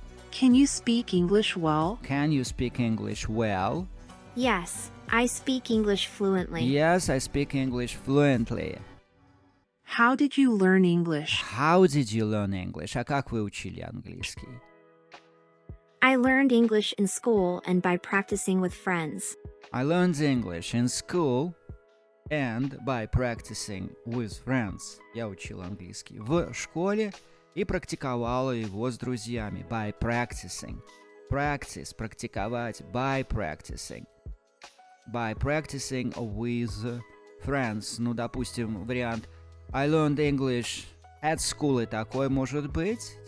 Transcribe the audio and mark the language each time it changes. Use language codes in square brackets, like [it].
[en] Can you speak English well? Can you speak English well? Yes, I speak English fluently. Yes, I speak English fluently. How did you learn English? How did you learn English? [ru] А как вы учили английский? [en] I learned English in school and by practicing with friends. I learned English in school and by practicing with friends. [ru] Я учил английский в школе. И практиковала его с друзьями. [en] By practicing. Practice. Практиковать. By practicing. By practicing with friends. [ru] Ну, допустим, вариант [en] I learned English at school. [ru] И такое может быть.